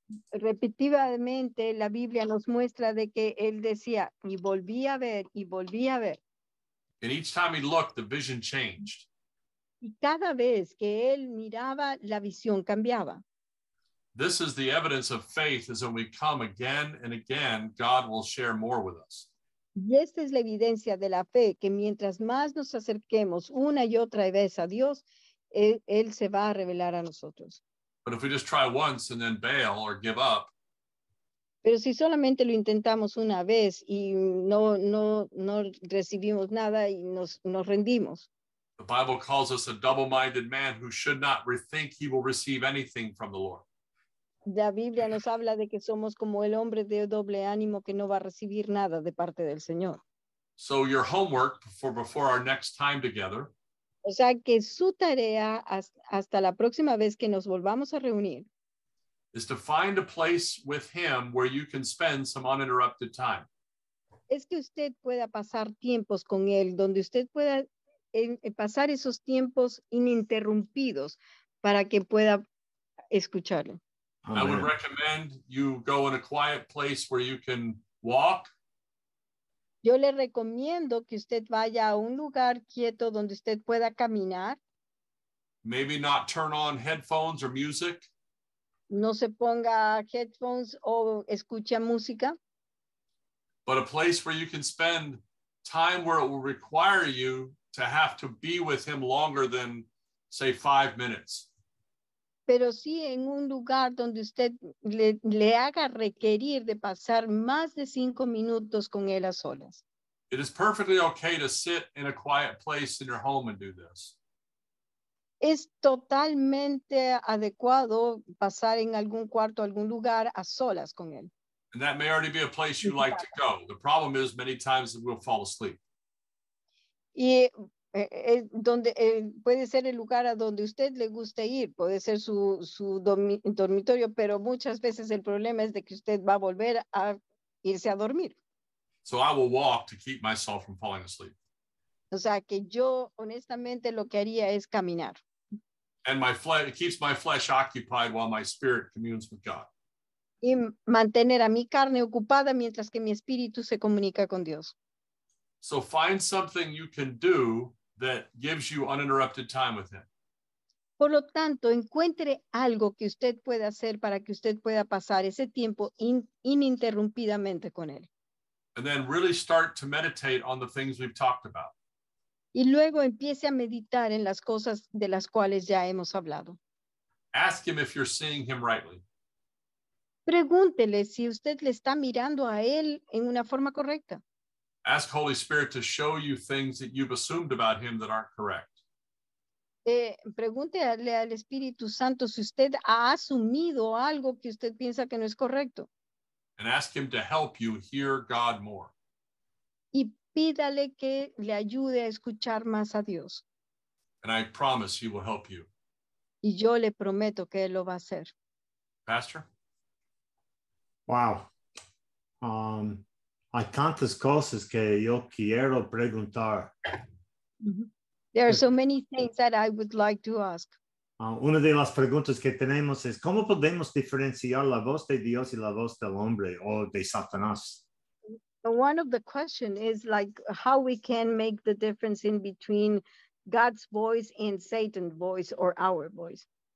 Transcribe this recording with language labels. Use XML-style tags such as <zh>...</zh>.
<es>Repetidamente la Biblia nos muestra de que él decía y volví a ver y volví a ver.</es> <en>And each time he looked, the vision changed.</en> <es>Y cada vez que él miraba, la visión cambiaba.</es> <en>This is the evidence of faith, is when we come again and again, God will share more with us.</en> <es>Y esta es la evidencia de la fe, que mientras más nos acerquemos una y otra vez a Dios, él se va a revelar a nosotros.</es> <en>But if we just try once and then bail or give up.</en> <es>Pero si solamente lo intentamos una vez y no recibimos nada y nos rendimos.</es> <en>The Bible calls us a double-minded man who should not rethink he will receive anything from the Lord.</en> <es>La Biblia nos habla de que somos como el hombre de doble ánimo que no va a recibir nada de parte del Señor.</es> <en>So your homework for before our next time together.</en> <es>O sea que su tarea hasta la próxima vez que nos volvamos a reunir.</es> <en>Is to find a place with him where you can spend some uninterrupted time.</en> <es>Es que usted pueda pasar tiempos con él, donde usted pueda pasar esos tiempos ininterrumpidos para que pueda escucharlo.</es> <en>Amen. I would recommend you go in a quiet place where you can walk.</en> <es>Yo le recomiendo que usted vaya a un lugar quieto donde usted pueda caminar.</es> <en>Maybe not turn on headphones or music.</en> <es>No se ponga headphones o escucha música.</es> <en>But a place where you can spend time where it will require you to have to be with him longer than, say, 5 minutes.</en> <es>Pero sí en un lugar donde usted le haga requerir de pasar más de 5 minutos con él a solas.</es> <en>It is perfectly okay to sit in a quiet place in your home and do this.</en> <es>Es totalmente adecuado pasar en algún cuarto, algún lugar a solas con él.</es> <en>And that may already be a place you like to go. The problem is many times we'll fall asleep.</en> <es>Y donde puede ser el lugar a donde usted le guste ir, puede ser su dormitorio, pero muchas veces el problema es de que usted va a volver a irse a dormir.</es> <en>So I will walk to keep myself from falling asleep.</en> <es>O sea que yo honestamente lo que haría es caminar.</es> <en>And my flesh, it keeps my flesh occupied while my spirit communes with God.</en> <es>Y mantener a mi carne ocupada mientras que mi espíritu se comunica con Dios.</es> <en>So find something you can do that gives you uninterrupted time with him.</en> <es>Por lo tanto, encuentre algo que usted pueda hacer para que usted pueda pasar ese tiempo ininterrumpidamente con él.</es> <en>And then really start to meditate on the things we've talked about.</en> <es>Y luego empiece a meditar en las cosas de las cuales ya hemos hablado.</es> <en>Ask him if you're seeing him rightly.</en> <es>Pregúntele si usted le está mirando a él en una forma correcta.</es> <en>Ask Holy Spirit to show you things that you've assumed about him that aren't correct.</en> <es>Pregúntele al Espíritu Santo si usted ha asumido algo que usted piensa que no es correcto.</es> <en>And ask him to help you hear God more.</en> <es>Y pídale que le ayude a escuchar más a Dios.</es> <en>And I promise he will help you.</en> <es>Y yo le prometo que él lo va a hacer.</es> <en>Pastor? Wow.</en> <es>Hay tantas cosas que yo quiero preguntar.</es> <en>There are so many things that I would like to ask.</en> <es>Una de las preguntas que tenemos es, ¿cómo podemos diferenciar la voz de Dios y la voz del hombre o de Satanás?</es> <en>One of the questions is like how we can make the difference in between God's voice and Satan's voice or our voice.</en>